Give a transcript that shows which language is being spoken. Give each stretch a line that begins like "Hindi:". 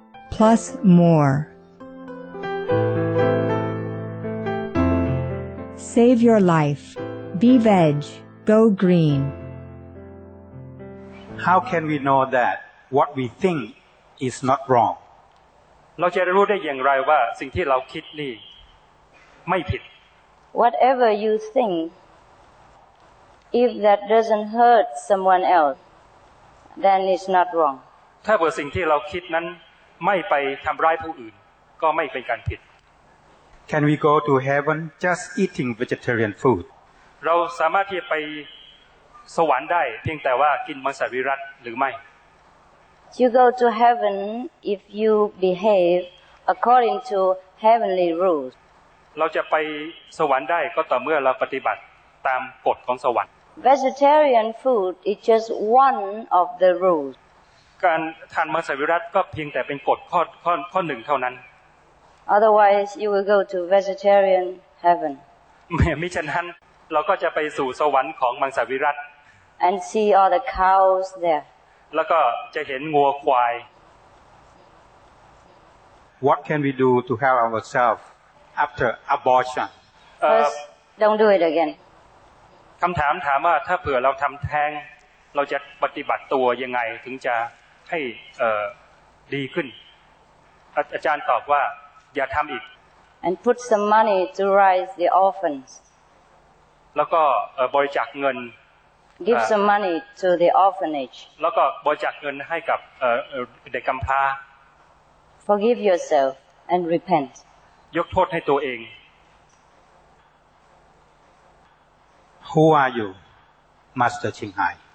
English: Plus more. Save your life. Be veg. Go green. How can we know that what we think is not wrong?
Thai: เราจะรู้ได้อย่างไรว่าสิ่งที่เราคิดนี่ไม่ผิด
English: Whatever you think, if that doesn't hurt someone else, then it's not wrong.
Thai: ถ้าเกิดสิ่งที่เราคิดนั้นไม่ไปทำร้ายผู้อื่นก็ไม่เป็นการผิด
English: Can we go to heaven just eating vegetarian food?
Thai: เราสามารถที่ไปสวรรค์ได้เพียงแต่ว่ากินมังสวิรัติหรือไม่
English: You go to heaven if you behave according to heavenly rules.
Thai: เราจะไปสวรรค์ได้ก็ต่อเมื่อเราปฏิบัติตามกฎของสวรรค์
English: Vegetarian food is just one of the rules.
Thai: การทานมังสวิรัติก็เพียงแต่เป็นกฎข้อหนึ่งเท่านั้น
English: Otherwise, you will go to vegetarian heaven.
Thai: ไม่ฉะนั้นเราก็จะไปสู่สวรรค์ของมังสวิรัติ
English: And see all the cows there.
Thai: แล้วก็จะเห็นงัวควาย
English: What can we do to help ourselves after abortion? First, don't do it again.
Thai: คำถามถามว่าถ้าเผื่อเราทำแท้งเราจะปฏิบัติตัวยังไงถึงจะให้ดีขึ้นอาจารย์ตอบว่าอย่าทำอีก
English: And put some money to raise the orphans.
Thai: แล้วก็บริจาคเงิน
English: Give some money to the orphanage.
Thai: แล้วก็บริจาคเงินให้กับเด็กกำพร้า
English: Forgive yourself and repent.
Thai: ยกโทษให้ตัวเอง
English: Who are you, Master Qinghai?